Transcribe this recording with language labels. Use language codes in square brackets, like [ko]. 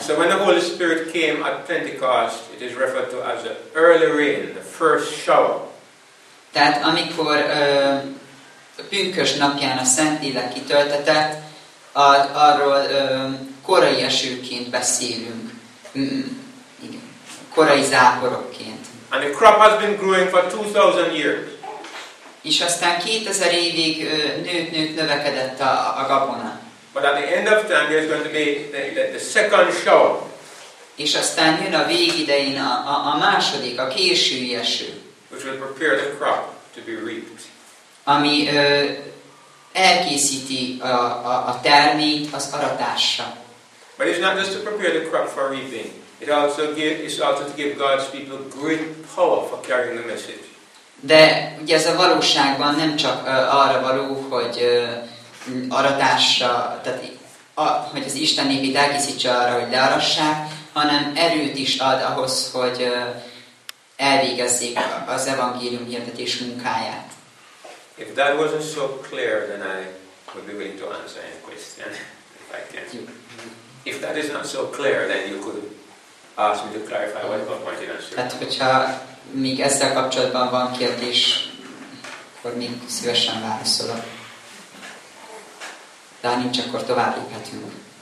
[en] So when the Holy Spirit came at Pentecost, it is referred to as the early rain, the first shower. [hu] Tehát amikor pünkös napján a Szentlélek kitöltetett, arról korai esőként beszélünk. Igen. Korai záporokként. [en] And the crop has been growing for 2000 years. [hu] És aztán 2000 évig nőtt növekedett a gabona. [en] But at the end of time there's going to be the second shower. [hu] És aztán jön a végidején a második, a késő eső. [en] Which will prepare the crop to be reaped. [hu] Ami elkészíti a terményt az aratásra. [en] But it's not just to prepare the crop for reaping. It's also to give God's people great power for carrying the message. [hu] De ugye ez a valóságban nem csak arra való, hogy aratásra, tehát hogy az Isten népét elkészítse arra, hogy learassák, hanem erőt is ad ahhoz, hogy elvégezzék az evangélium hirdetés munkáját. [en] If that wasn't so clear, then I would be willing to answer any question, if I can. If that is not so clear, then you could ask me to clarify whatever point in answer. [hu] Hát, hogyha még ezzel kapcsolatban van kérdés, akkor még szívesen válaszolok. De ha nincs, akkor tovább léphetünk.